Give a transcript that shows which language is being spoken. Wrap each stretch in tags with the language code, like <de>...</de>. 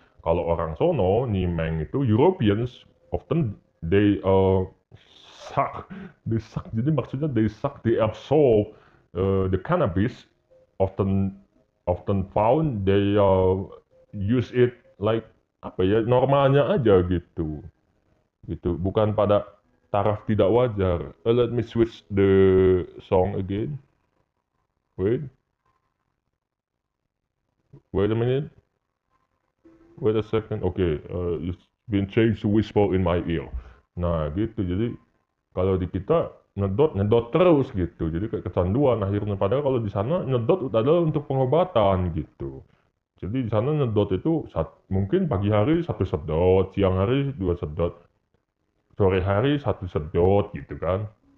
<id>Kalau orang sono nyimeng itu,</id> <en>Europeans often they suck,</en> <id>jadi maksudnya</id> <en>they suck, they absorb the cannabis, often found they use it like</en> <id>apa ya, normalnya aja gitu. Gitu, bukan pada taraf tidak wajar.</id> <en>Let me switch the song again. Wait a second. Okay, it's been changed to whisper in my ear.</en> <id>Nah, gitu. Jadi kalau di kita nyedot terus gitu. Jadi kayak kecanduan akhirnya, padahal kalau di sana nyedot adalah untuk pengobatan gitu. Jadi di sana nyedot itu mungkin pagi hari satu sedot, siang hari dua sedot, sore hari satu sedot gitu kan.</id>